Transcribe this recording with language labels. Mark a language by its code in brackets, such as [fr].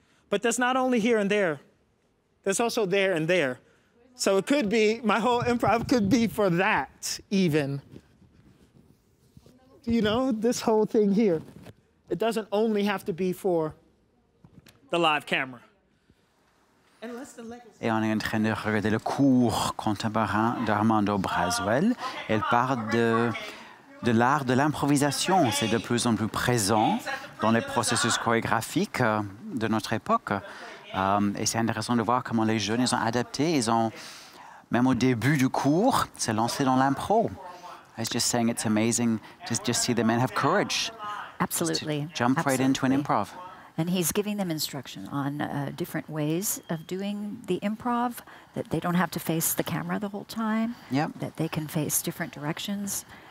[en] But there's not only here and there. There's also there and there. So it could be, my whole improv could be for that, even. You know, this whole thing here. It doesn't only have to be for the live camera. [fr] Et on est en train de regarder le cours contemporain d'Armando Braswell. Elle parle de l'art de l'improvisation. C'est de plus en plus présent dans les processus chorégraphiques de notre époque. Et c'est intéressant de voir comment les jeunes, ils ont adapté, ils ont, même au début du cours, s'est lancé dans l'impro. [en] I was just saying it's amazing to just see the men have courage. Absolutely. To jump Absolutely. Right into an improv. And he's giving them instruction on different ways of doing the improv, that they don't have to face the camera the whole time, that they can face different directions.